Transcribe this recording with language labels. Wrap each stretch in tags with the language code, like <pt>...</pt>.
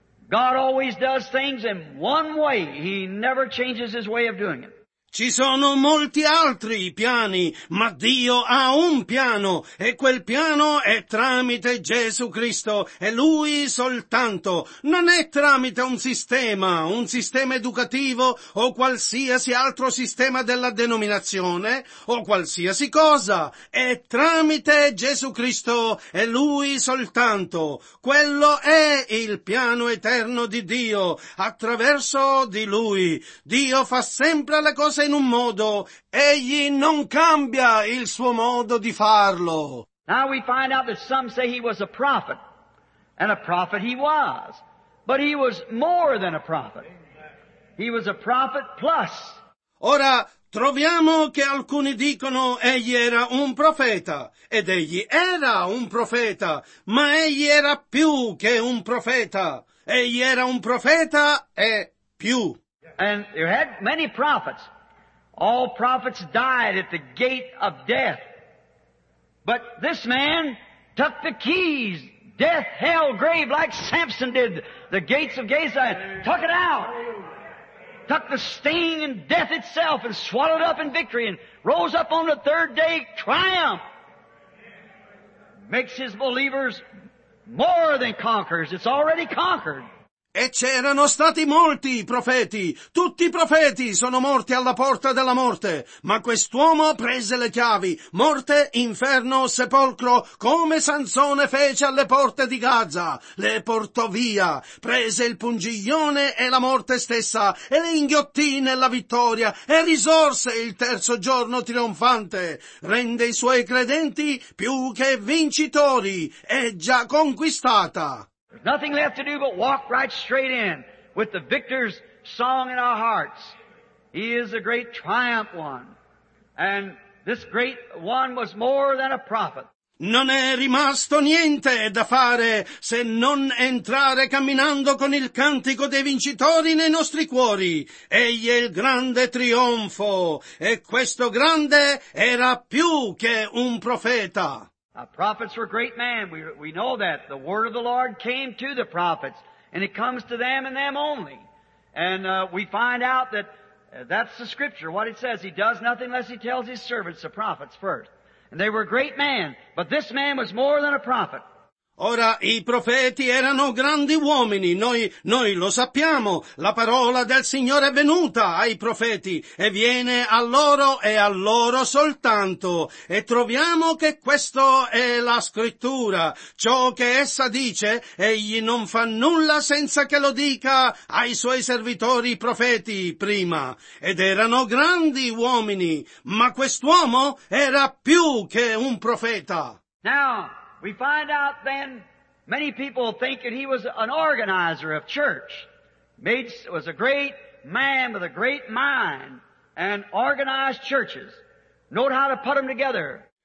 <en>God always does things in one way. He never changes His way of doing it.</en> <it>Ci sono molti altri piani, ma Dio ha un piano, e quel piano è tramite Gesù Cristo, e Lui soltanto. Non è tramite un sistema educativo, o qualsiasi altro sistema della denominazione, o qualsiasi cosa. È tramite Gesù Cristo, e Lui soltanto. Quello è il piano eterno di Dio, attraverso di Lui. Dio fa sempre le cose in un modo, egli non cambia il suo modo di farlo.</it> <en>Now we find out that some say he was a prophet, and a prophet he was, but he was more than a prophet. He was a prophet plus.</en> <it>Ora troviamo che alcuni dicono egli era un profeta, ed egli era un profeta, ma egli era più che un profeta. Egli era un profeta e più.</it> <en>And you had many prophets. All prophets died at the gate of death. But this man took the keys, death, hell, grave, like Samson did, the gates of Gaza, and took it out. Took the sting and death itself and swallowed up in victory and rose up on the third day, triumph. Makes his believers more than conquerors. It's already conquered.</en> <it>E c'erano stati molti profeti, tutti i profeti sono morti alla porta della morte, ma quest'uomo prese le chiavi, morte, inferno, sepolcro, come Sansone fece alle porte di Gaza, le portò via, prese il pungiglione e la morte stessa, e le inghiottì nella vittoria, e risorse il terzo giorno trionfante, rende i suoi credenti più che vincitori, è già conquistata.</it> <en>There's nothing left to do but walk right straight in with the victor's song in our hearts. He is a great triumph one. And this great one was more than a prophet.</en> <it>Non è rimasto niente da fare se non entrare camminando con il cantico dei vincitori nei nostri cuori. Egli è il grande trionfo. E questo grande era più che un profeta.</it> <en>Our prophets were great men. We know that. The word of the Lord came to the prophets, and it comes to them and them only. And we find out that that's the scripture, what it says. He does nothing unless he tells his servants, the prophets, first. And they were great men, but this man was more than a prophet.</en> <it>Ora, i profeti erano grandi uomini, noi lo sappiamo, la parola del Signore è venuta ai profeti e viene a loro e a loro soltanto. E troviamo che questo è la scrittura, ciò che essa dice, egli non fa nulla senza che lo dica ai suoi servitori profeti prima. Ed erano grandi uomini, ma quest'uomo era più che un profeta.</it> <en>Now, we find out then many people think that he was an organizer of church. Was a great man with a great mind and organized churches. Know how to put them together.</en>